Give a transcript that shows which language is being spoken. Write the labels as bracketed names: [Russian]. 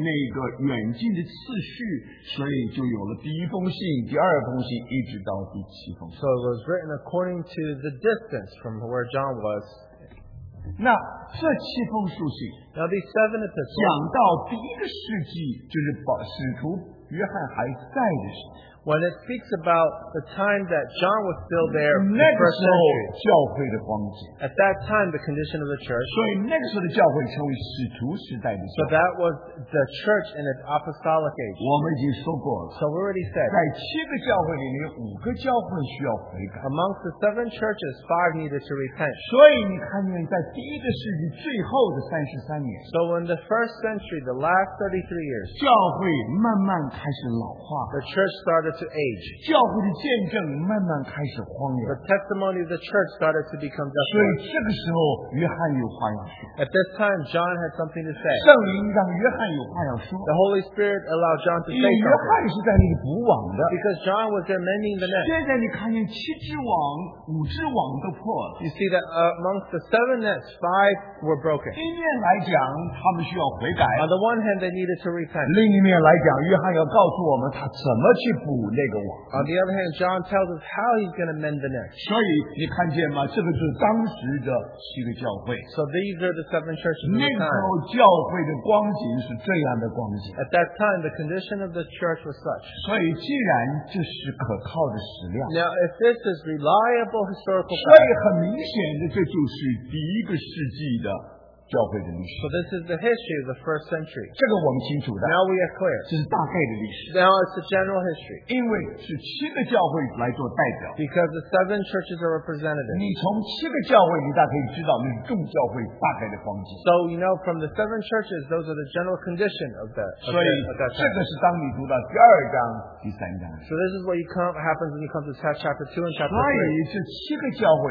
[Chinese] 所以大概是按照那个远近的次序, 所以就有了第一封信, 第二封信, 一直到第七封信。 [English] So it was written according to the distance from where John was. [Chinese] 那这七封书信, [English] now these seven epistles, [Chinese] 讲到第一个世纪, 就是使徒约翰还在的时候, [English] when it speaks about the time that John was still there, [Chinese] 那个时候教会的光景, [English] at that time, the condition of the church, [Chinese] 所以那个时候的教会成为使徒时代的教会, [English] so that was the church in its apostolic age. [Chinese] 我们已经说过了, [English] so we already said, [Chinese] 在七个教会里面五个教会需要悔改, [English] amongst the seven churches, five needed to repent. [Chinese] 所以你看见在第一个世纪最后的33年, [English] so in the first century, the last 33 years, [Chinese] 教会慢慢开始老化, [English] the church started to age. The testimony of the church started to become different. At this time, John had something to say. The Holy Spirit allowed John to say something. Because John was there mending the net. You see that amongst the seven nets, five were broken. On the one hand, they needed to repent. On the other hand, John tells us how he's going to mend the net. [Chinese] 所以你看见吗? 这个就是当时的七个教会。 [English] So these are the seven churches. [Chinese] 那时候教会的光景是这样的光景。 [English] At that time, the condition of the church was such. [Chinese] 所以既然这是可靠的史料, [English] now, if this is reliable historical fact, [Chinese] 所以很明显的这就是第一个世纪的, [English] so this is the history of the first century. [Chinese] 这个我们清楚的, [English] now we are clear. [Chinese] 这是大概的历史, [English] now it's the general history. [Chinese] 因为是七个教会来做代表, [English] because the seven churches are representative. [Chinese] 你从七个教会你大可以知道那是众教会大概的方向。 [English] So you know from the seven churches, those are the general condition of that. [Chinese] 所以这个是当你读到第二章第三章, [English] so this is what you come, happens when you come to chapter 2 and chapter 3.